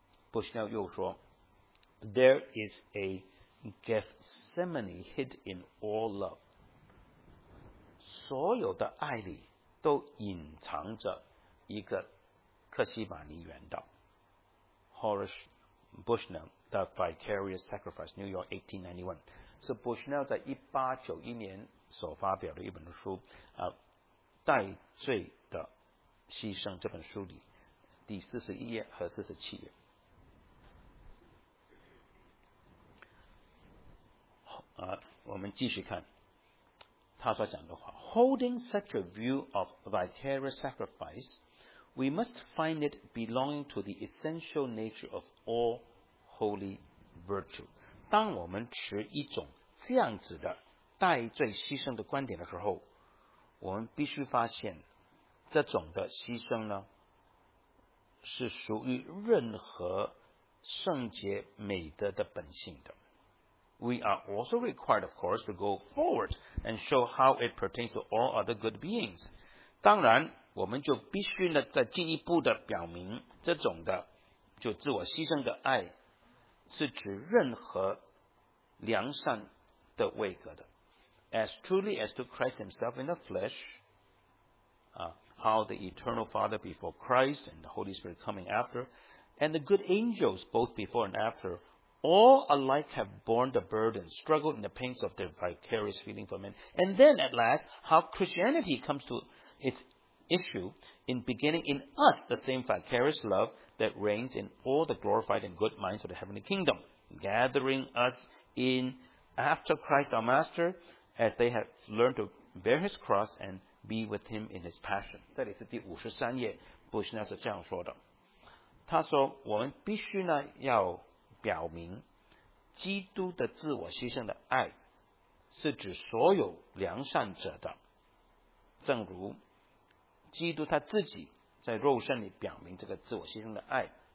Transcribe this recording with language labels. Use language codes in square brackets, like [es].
[zh] Bushnell 又说， [en] There is a Gethsemane hid in all love， [zh] 所有的爱里都隐藏着一个克西马尼园的。 Horace Bushnell The Vicarious Sacrifice New York 1891，是 Bushnell 在1891年所发表的一本书代罪的牺牲，这本书里第41页和47页。我们继续看他所讲的话。 [en] Holding such a view of vicarious sacrifice, we must find it belonging to the essential nature of all holy virtue. [zh] 当我们持一种这样子的代罪牺牲的观点的时候，我们必须发现这种的牺牲呢，是属于任何圣洁美德的本性的。 [en] We are also required, of course, to go forward and show how it pertains to all other good beings. [zh] 当然，我们就必须呢，再进一步的表明这种的，就自我牺牲的爱，是指任何良善的位格的。 [en] As truly as to Christ himself in the flesh, how the Eternal Father before Christ and the Holy Spirit coming after, and the good angels both before and after, all alike have borne the burden, struggled in the pains of their vicarious feeling for men. And then at last, how Christianity comes to its issue in beginning in us the same vicarious love that reigns in all the glorified and good minds of the heavenly kingdom, gathering us in after Christ our Master, as they have learned to bear his cross and be with him in his passion. [zh] 这里是第五十三页，布什纳是这样说的。他说我们必须呢要表明基督的自我牺牲的爱是指所有良善者的，正如基督他自己在肉身里表明这个自我牺牲的爱，